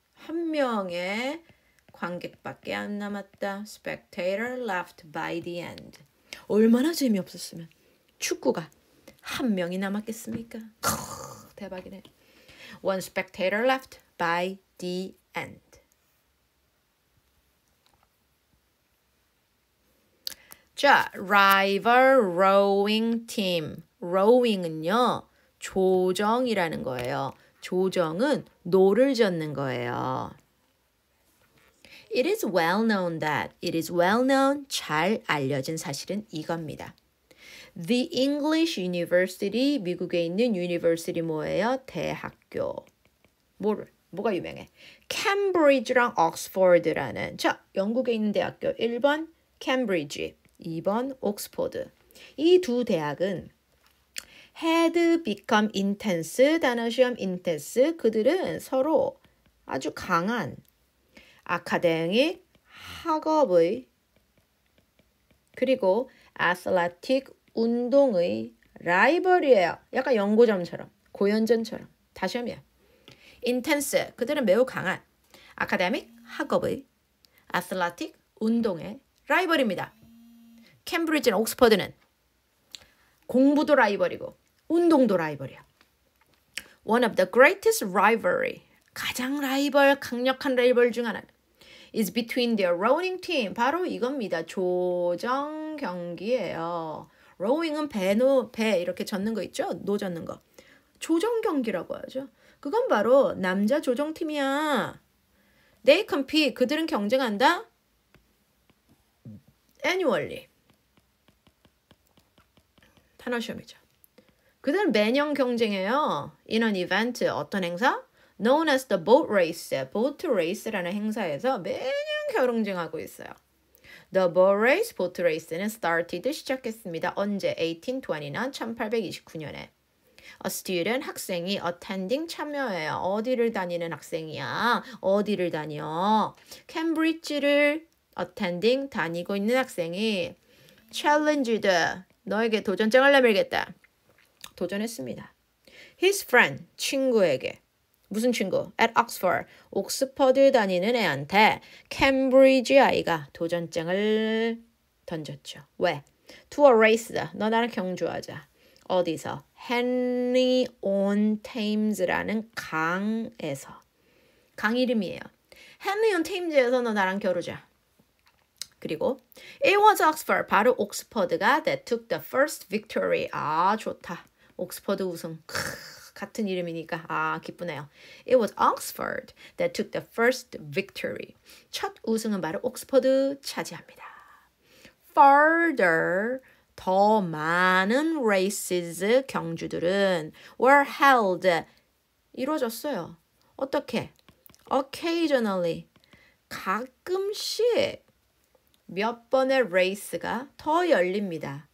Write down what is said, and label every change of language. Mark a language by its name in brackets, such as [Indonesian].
[Korean] 한 명의 관객밖에 안 남았다. [English] Spectator left by the end. [Korean] 얼마나 재미없었으면 축구가 한 명이 남았겠습니까? 대박이네. [English] One spectator left by the end. 자, rival rowing team. [Korean] Rowing은요. 조정이라는 거예요. 조정은 노를 젓는 거예요. [English] It is well known that. It is well known. [Korean] 잘 알려진 사실은 이겁니다. [English] The English University. [Korean] 미국에 있는 university 뭐예요? 대학교. 뭐를? 뭐가 유명해? Cambridge랑 Oxford라는. 자, 영국에 있는 대학교. 1번 Cambridge. 2번 Oxford. 이 두 대학은 [English] had become intense, [Korean] 단어 시험 intense, 그들은 서로 아주 강한 아카데믹 학업의 그리고 athletic 운동의 라이벌이에요. 약간 연고전처럼, 고연전처럼. 다시 한 번. intense, 그들은 매우 강한 아카데믹 학업의 athletic 운동의 라이벌입니다. 캠브리지나 옥스퍼드는 공부도 라이벌이고 운동도 라이벌이야. [English] One of the greatest rivalry. [Korean] 가장 라이벌, 강력한 라이벌 중 하나. [English] Is between their rowing team. [Korean] 바로 이겁니다. 조정 경기예요. Rowing은 배 이렇게 젓는 거 있죠? 노 젓는 거. 조정 경기라고 하죠. 그건 바로 남자 조정팀이야. [English] They compete. [Korean] 그들은 경쟁한다. [English] Annually. [Korean] 단어 시험이죠. 그들은 매년 경쟁해요. [English] In an event, [Korean] 어떤 행사? [English] Known as the boat race. [Korean] Boat race라는 행사에서 매년 경쟁하고 있어요. [English] The boat race, boat race는 started, 시작했습니다. [Korean] 언제? 1829년, 1829년에. [English] A student, 학생이 attending, 참여해요. [Korean] 어디를 다니는 학생이야? 어디를 다녀? Cambridge를 attending, 다니고 있는 학생이 challenged, 너에게 도전장을 내밀겠다. 도전했습니다. [English] His friend, 친구에게. [Korean] 무슨 친구? [English] At Oxford. [Korean] 옥스퍼드 다니는 애한테 Cambridge 아이가 도전장을 던졌죠. 왜? [English] To a race. [Korean] 너 나랑 경주하자. 어디서? Henry on Thames라는 강에서. 강 이름이에요. Henry on Thames에서 너 나랑 겨루자. [English] 그리고 It was Oxford. [Korean] 바로 옥스퍼드가 [English] that took the first victory. [Korean] 아, 좋다. 옥스퍼드 우승. 크, 같은 이름이니까 아 기쁘네요. [English] It was Oxford that took the first victory. [Korean] 첫 우승은 바로 옥스퍼드 차지합니다. Further, 더 많은 races, 경주들은 [English] were held, [Korean] 이루어졌어요. 어떻게? Occasionally, 가끔씩 몇 번의 race가 더 열립니다.